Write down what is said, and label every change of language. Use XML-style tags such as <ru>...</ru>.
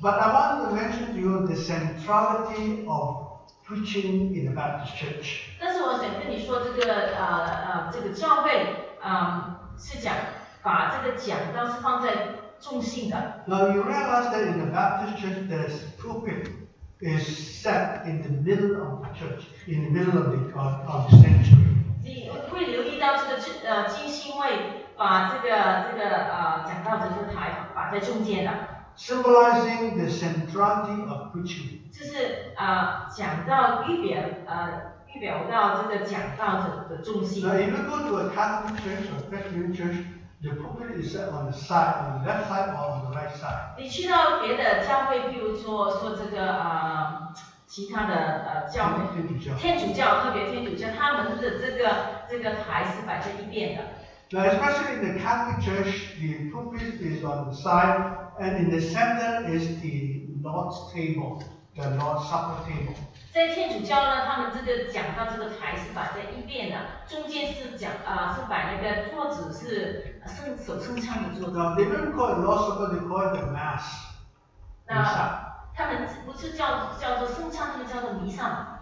<en>But I want to mention to you the centrality of preaching in the Baptist Church.</en> <zh>但是我想跟你说，这个教会是讲把这个讲道是放在重心的。</zh> <en>Now you realize that in the Baptist Church, the pulpit is set in the middle of the church, in the middle of the sanctuary.</en> <zh>你会留意到这个金星会把这个讲道者的台摆在中间的。</zh> <en>Symbolizing the centrality of preaching.</en> <zh>就是讲到预表到这个讲道者的重心。</zh> <en>Now if you go to a Catholic church or Presbyterian church, the pulpit is set on the side, on the left side or on the right side.</en> <zh>你去到别的教会，譬如说这个其他的教会，天主教，特别天主教，他们的这个台是摆在一边的。</zh> <en>Now especially in the Catholic church, the pulpit is on the side. And in the center is the Lord's table, the Lord's supper table.</en> <zh>在天主教呢，他们这个讲到这个台是摆在一边的，中间是讲是摆那个桌子，是圣餐的桌子。</zh> <en>Now they don't call it Lord's supper, they call it the Mass.</en> <zh>那他们不是叫做圣餐，他们叫做弥撒。</zh>